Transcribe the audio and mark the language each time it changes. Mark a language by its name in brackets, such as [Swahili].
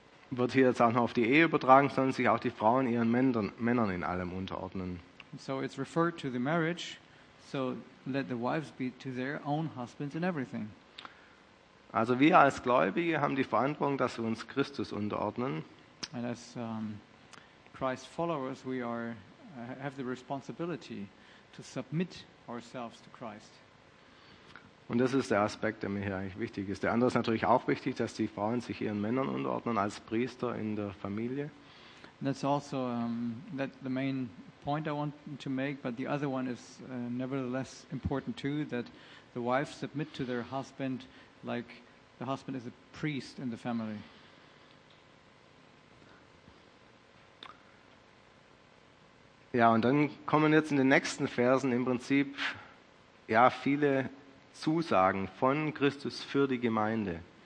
[German] Wird hier jetzt auch noch auf die Ehe übertragen, sollen sich auch die Frauen ihren Männern in allem unterordnen. [English] So it's referred to the marriage, so let the wives be to their own husbands in everything. [German] Also wir als Gläubige haben die Verantwortung, dass wir uns Christus unterordnen. [English] And as Christ followers, we are have the responsibility to submit ourselves to Christ. [German] Und das ist der Aspekt, der mir hier eigentlich wichtig ist. Der andere ist natürlich auch wichtig, dass die Frauen sich ihren Männern unterordnen als Priester in der Familie. [English] That's also that the main point I want to make, but the other one is nevertheless important too, that the wives submit to their husband like the husband is a priest in the family. [German] Ja, und dann kommen jetzt in den nächsten Versen im Prinzip ja viele Zusagen von Christus für die Gemeinde.